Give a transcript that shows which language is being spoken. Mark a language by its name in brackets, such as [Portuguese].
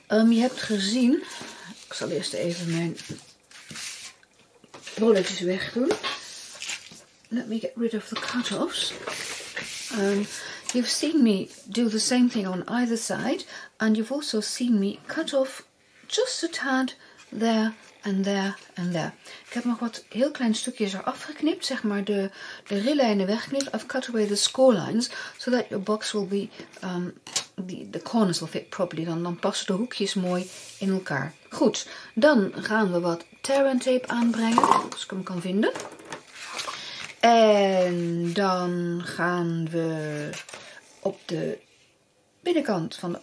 [Dutch] Je hebt gezien, ik zal eerst even mijn bolletjes wegdoen. [English] Let me get rid of the cut-offs. You've seen me do the same thing on either side. And you've also seen me cut off just a tad there and there and there. [Dutch] Ik heb nog wat heel klein stukjes eraf geknipt, zeg maar de rillijnen wegknipt. [English] I've cut away the score lines, so that your box will be... The corners will fit properly. [Dutch] Dan passen de hoekjes mooi in elkaar. Goed, dan gaan we wat tear and tape aanbrengen. Als ik hem kan vinden. En dan gaan we op de binnenkant van de...